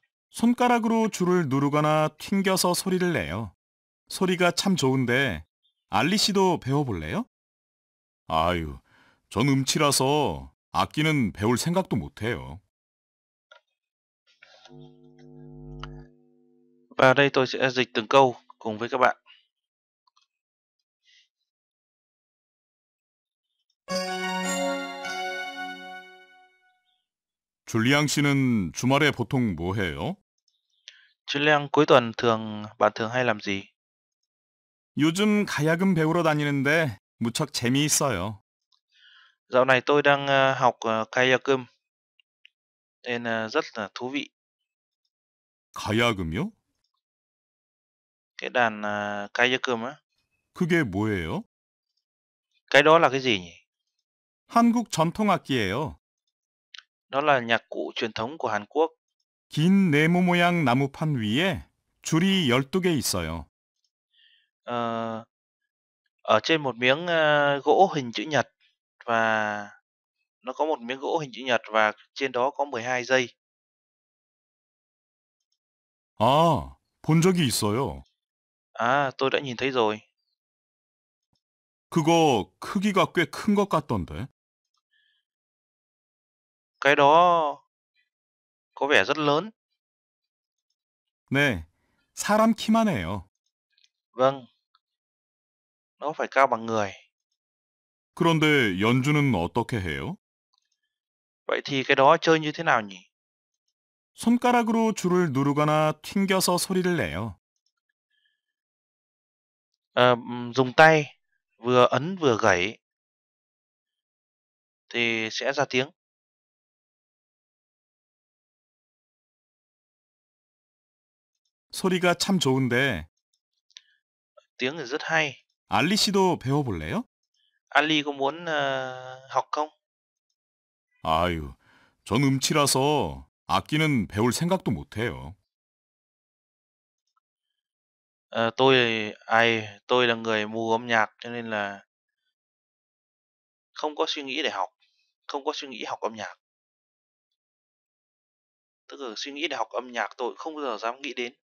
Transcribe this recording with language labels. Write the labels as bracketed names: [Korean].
[Korean] 손가락으로 줄을 누르거나 튕겨서 소리를 내요. 소리가 참 좋은데 알리 씨도 배워볼래요? 아유, 전 음치라서 악기는 배울 생각도 못해요. [Vietnamese] Và đây tôi sẽ dịch từng câu cùng với các bạn. [Korean] 줄리앙 씨는 주말에 보통 뭐 해요? [Vietnamese] Chun Leng cuối tuần thường bạn thường hay làm gì? [Korean] 요즘 가야금 배우러 다니는데 무척 재미있어요. [Vietnamese] Dạo này tôi đang học gayakum. Nên rất là thú vị. [Korean] Gayakum요? [Vietnamese] Cái đàn gayakum á. [Korean] 그게 뭐예요? [Vietnamese] Cái đó là cái gì nhỉ? [Korean] 한국 전통악기예요. [Vietnamese] Đó là nhạc cụ truyền thống của Hàn Quốc. [Korean] 긴 네모 모양 나무판 위에 줄이 12개 있어요. [Vietnamese] Ở trên một miếng gỗ hình chữ nhật và nó có một miếng gỗ hình chữ nhật và trên đó có 12 dây. [Korean] 아, 본 적이 있어요. [Vietnamese] Tôi đã nhìn thấy rồi. [Korean] 그거 크기가 꽤 큰 것 같던데. [Vietnamese] Cái đó có vẻ rất lớn. [Korean] 네, 사람 키만 해요. [Vietnamese] Vâng. Nó phải cao bằng người. [Korean] 그런데 연주는 어떻게 해요? [Vietnamese] Vậy thì cái đó chơi như thế nào nhỉ? [Korean] 손가락으로 줄을 누르거나 튕겨서 소리를 내요. [Vietnamese] Dùng tay vừa ấn vừa gảy thì sẽ ra tiếng. [Korean] 소리가 참 좋은데. [Vietnamese] Tiếng rất hay. [Korean] 알리 씨도 배워볼래요? [Vietnamese] Ali có muốn học không? [Korean] 아유, 전 음치라서 악기는 배울 생각도 못해요. [Vietnamese] Tôi là người mù âm nhạc cho nên là không có suy nghĩ để học, không có suy nghĩ học âm nhạc. Tức là suy nghĩ để học âm nhạc tôi không bao giờ dám nghĩ đến.